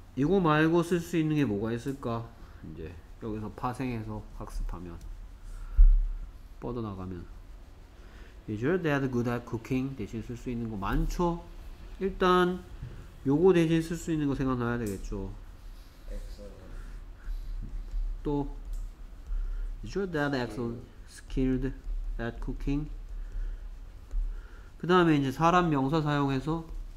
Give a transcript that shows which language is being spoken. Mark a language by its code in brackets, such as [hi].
[ko] 이거 말고 쓸 수 있는 게 뭐가 있을까? 이제 여기서 파생해서 학습하면 뻗어나가면 [en] Is your dad good at cooking? [ko] 대신 쓸 수 있는 거 많죠? 일단 요거 대신 쓸 수 있는 거 생각나야 되겠죠. [en] Excellent. [ko] 또 [en] Is your dad excellent skilled at cooking? [ko] 그 다음에 이제 사람 명사 사용해서